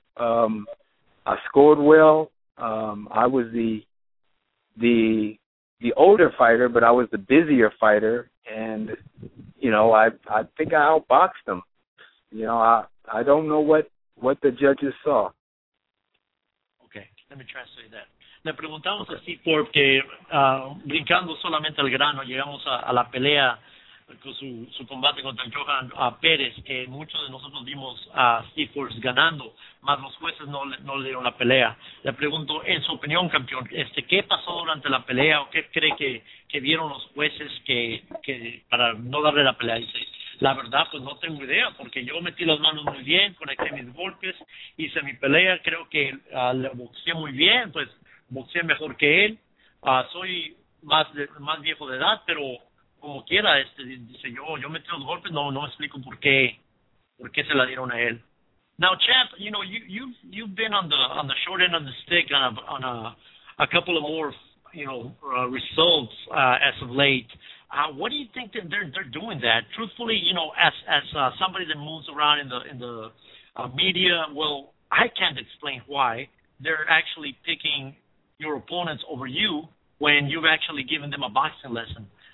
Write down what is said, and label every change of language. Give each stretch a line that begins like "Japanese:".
English: I scored well. I was the older fighter, but I was the busier fighter. And, you know, I think I outboxed him. You know, I don't know what the judges saw. Okay, let me translate that.
Spanish: Le preguntamos a Steve Ford que, brincando solamente al grano, llegamos a la pelea con su combate contra Johan Pérez, que muchos de nosotros vimos a Steve Ford ganando, mas los jueces no le dieron la pelea. Le pregunto, en su opinión, campeón, ¿qué pasó durante la pelea o qué cree que vieron los jueces que para no darle la pelea? Dice, la verdad, pues no tengo idea, porque yo metí las manos muy bien, conecté mis golpes, hice mi pelea, creo que le boxeé muy bien, pues boxeé mejor que él, soy más viejo de edad, pero como quiera, dice yo metí los golpes, no explico por qué se la dieron a él.
English: Now, champ, you know, you've been on the short end of the stick on a couple of more, you know, results as of late. What do you think that they're doing that? Truthfully, you know, as somebody that moves around in the media, well, I can't explain why they're actually picking your opponents over you when you've actually given them a boxing lesson.